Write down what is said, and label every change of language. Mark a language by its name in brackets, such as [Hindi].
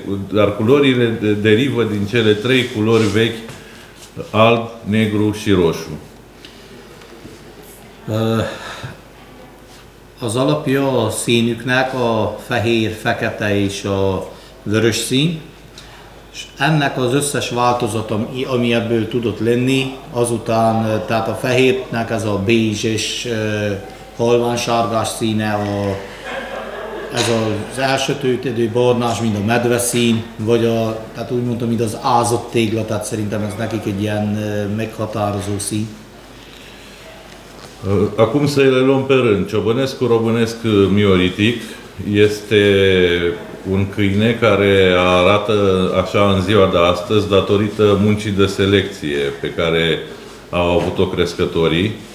[Romanian] Dar culorile derivă din cele trei culori vechi, alb, negru și roșu. [Hungarian] Az alapja a színüknek a fehér, fekete és a vörös szín, és ennek az összes változata, ami ebből tudott lenni, azután, tehát a fehérnek ez a bézs-es, halvánsárgás színe, ez az elsötétedő barnás, mint a medveszín, vagy a, tehát úgy mondtam, mint az ázott tégla, tehát szerintem ez nekik egy ilyen meghatározó szín. [Romanian] Acum să le luăm pe rând. Ciobănescul românesc mioritic este un câine care arată așa în ziua de astăzi datorită muncii de selecție pe care au avut-o crescătorii.